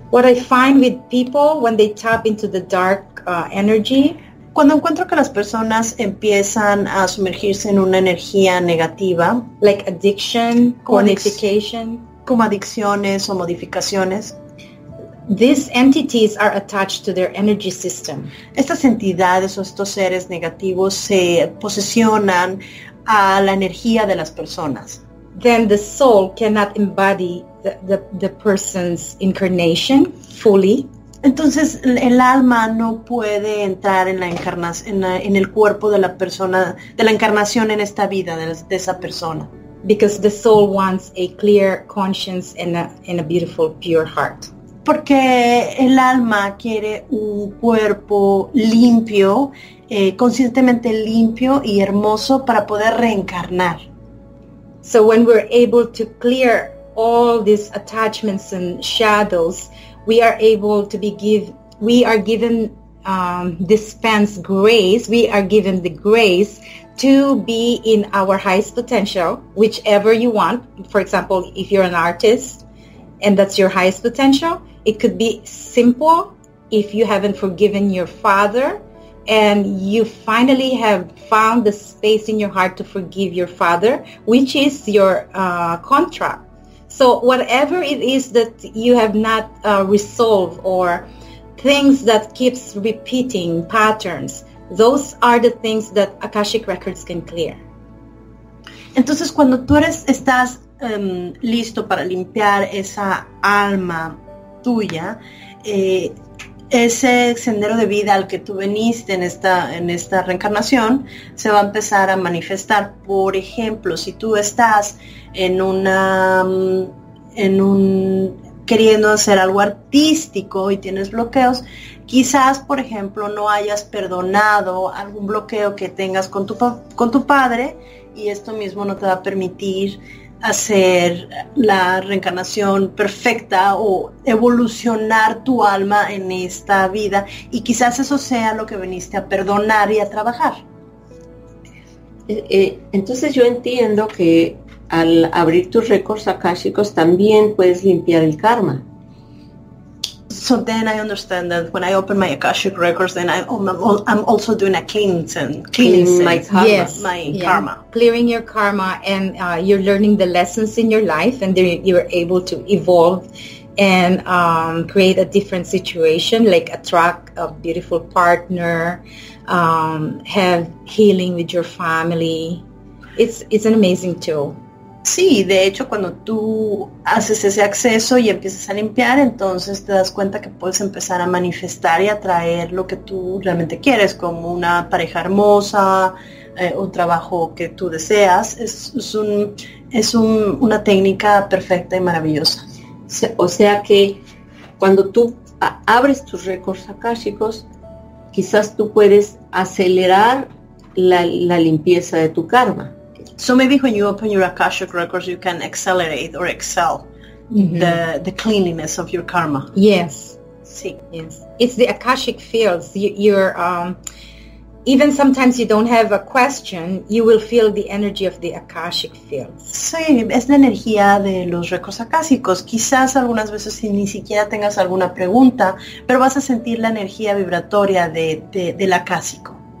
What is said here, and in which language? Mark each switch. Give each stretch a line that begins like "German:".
English: What I find with people when they tap into the dark energy.
Spanish: Cuando encuentro que las personas empiezan a sumergirse en una energía negativa,
English: like addiction, modification,
Spanish: como adicciones o modificaciones,
English: these entities are attached to their energy system.
Spanish: Estas entidades o estos seres negativos se posesionan a la energía de las personas.
English: Then the soul cannot embody the person's incarnation fully.
Spanish: Entonces el alma no puede entrar en la encarnación, en el cuerpo de la persona, de la encarnación en esta vida de esa persona.
English: Because the soul wants a clear conscience and a beautiful, pure heart.
Spanish: Porque el alma quiere un cuerpo limpio, conscientemente limpio y hermoso para poder reencarnar.
English: So when we're able to clear all these attachments and shadows, we are able to be given the grace to be in our highest potential, whichever you want. For example, if you're an artist and that's your highest potential, it could be simple if you haven't forgiven your father and you finally have found the space in your heart to forgive your father, which is your contract. So whatever it is that you have not resolved or things that keeps repeating patterns, those are the things that Akashic Records can clear.
Spanish: Entonces cuando tú estás listo para limpiar esa alma tuya, ese sendero de vida al que tú viniste en esta reencarnación se va a empezar a manifestar. Por ejemplo, si tú estás queriendo hacer algo artístico y tienes bloqueos, quizás, por ejemplo, no hayas perdonado algún bloqueo que tengas con tu padre y esto mismo no te va a permitir hacer la reencarnación perfecta o evolucionar tu alma en esta vida y quizás eso sea lo que viniste a perdonar y a trabajar. Entonces yo entiendo que al abrir tus récords akáshicos también puedes limpiar el karma.
English: So then I understand that when I open my akashic records, then I'm also doing a cleansing my karma. Yes, my karma. Clearing your karma, and you're learning the lessons in your life, and then you're able to evolve and create a different situation, like attract a beautiful partner, have healing with your family. It's an amazing tool.
Spanish: Sí, de hecho, cuando tú haces ese acceso y empiezas a limpiar, entonces te das cuenta que puedes empezar a manifestar y atraer lo que tú realmente quieres, como una pareja hermosa, un trabajo que tú deseas. Es una técnica perfecta y maravillosa. O sea que cuando tú abres tus récords akáshicos, quizás tú puedes acelerar la limpieza de tu karma.
English: So maybe when you open your Akashic Records, you can accelerate or excel the cleanliness of your karma. Yes.
Spanish: Sí.
English: Yes. It's the Akashic fields. Even sometimes you don't have a question, you will feel the energy of the Akashic fields.
Spanish: Sí, es la energía de los récords akáshicos. Quizás algunas veces ni siquiera tengas alguna pregunta, pero vas a sentir la energía vibratoria del akáshico.